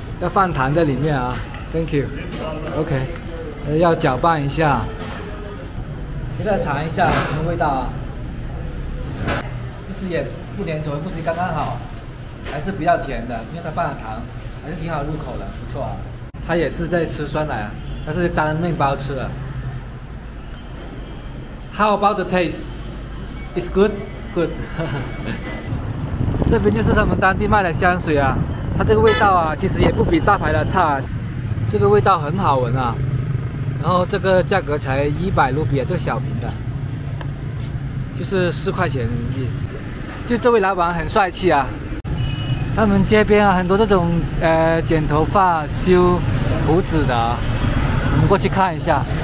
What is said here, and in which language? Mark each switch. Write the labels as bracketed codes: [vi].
[zh] 要放糖在里面啊 ， [en] thank you. OK， [zh] 要搅拌一下，给大家尝一下什么味道啊？就是也不粘稠，不是刚刚好，还是比较甜的，因为它放了糖，还是挺好入口的，不错啊。它也是在吃酸奶啊，它是沾面包吃的。 [en] How about the taste? It's good, good. [zh] 这边就是他们当地卖的香水啊，它这个味道啊，其实也不比大牌的差，这个味道很好闻啊。然后这个价格才100卢比啊，这个小瓶的，就是4块钱。就这位老板很帅气啊，他们街边啊很多这种剪头发、修胡子的，我们过去看一下。